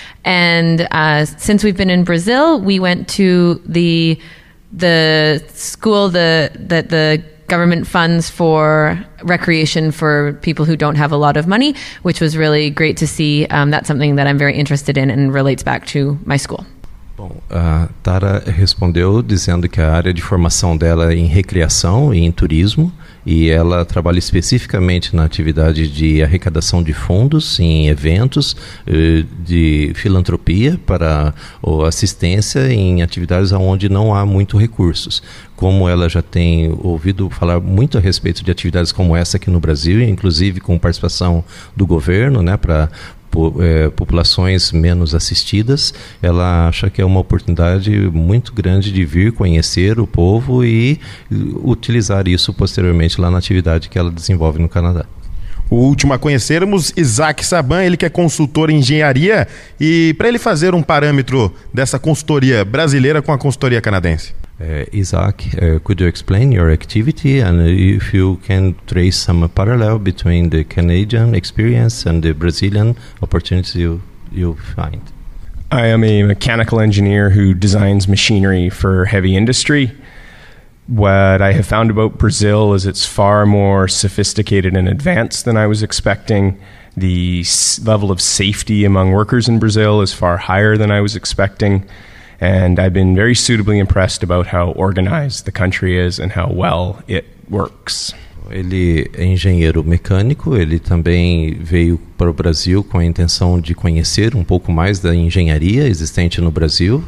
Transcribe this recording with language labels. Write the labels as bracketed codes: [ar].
[en] And since we've been in Brazil, we went to the school that the government funds for recreation for people who don't have a lot of money, which was really great to see. That's something that I'm very interested in and relates back to my school. [pt] Bom, a Tara respondeu dizendo que a área de formação dela é em recreação e em turismo, e ela trabalha especificamente na atividade de arrecadação de fundos em eventos de filantropia para assistência em atividades onde não há muito recursos. Como ela já tem ouvido falar muito a respeito de atividades como essa aqui no Brasil, inclusive com participação do governo, né, para populações menos assistidas, ela acha que é uma oportunidade muito grande de vir conhecer o povo e utilizar isso posteriormente lá na atividade que ela desenvolve no Canadá. O último a conhecermos, Isaac Saban, ele que é consultor em engenharia, e para ele fazer um parâmetro dessa consultoria brasileira com a consultoria canadense. [en] Isaac, could you explain your activity and if you can trace some parallel between the Canadian experience and the Brazilian opportunity you find? I am a mechanical engineer who designs machinery for heavy industry. What I have found about Brazil is it's far more sophisticated and advanced than I was expecting. The level of safety among workers in Brazil is far higher than I was expecting. And I've been very suitably impressed about how organized the country is and how well it works. [pt] Ele é engenheiro mecânico, ele também veio para o Brasil com a intenção de conhecer um pouco mais da engenharia existente no Brasil.